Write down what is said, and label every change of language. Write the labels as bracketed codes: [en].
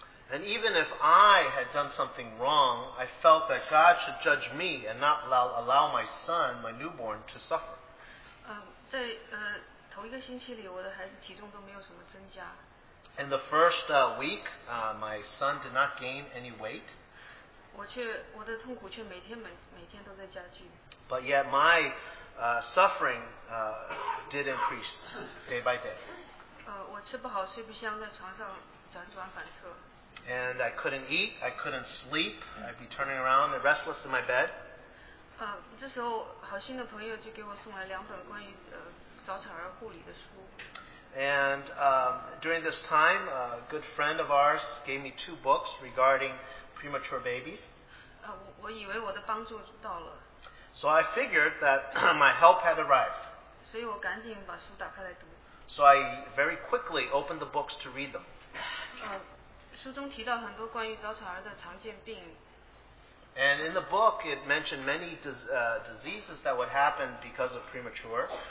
[en] And even if I had done something wrong, I felt that God should judge me and not allow my son, my newborn, to suffer. [zh] 在头一个星期里，我的孩子体重都没有什么增加。 [en] In the first week, my son did not gain any weight. [zh] 我的痛苦却每天都在加剧。 [en] But yet my suffering did increase day by day. [zh] 我吃不好，睡不香，在床上辗转反侧。 [en] And I couldn't eat, I couldn't sleep. I'd be turning around and restless in my bed. [zh] 这时候好心的朋友就给我送来两本关于早产儿护理的书。 [en] And during this time, a good friend of ours gave me two books regarding premature babies. [zh] 我以为我的帮助到了。 [en] So I figured that my help had arrived. [zh] 所以我赶紧把书打开来读。 [en] So I very quickly opened the books to read them. [zh] 书中提到很多关于早产儿的常见病。 [en] And in the book, it mentioned many diseases that would happen because of premature.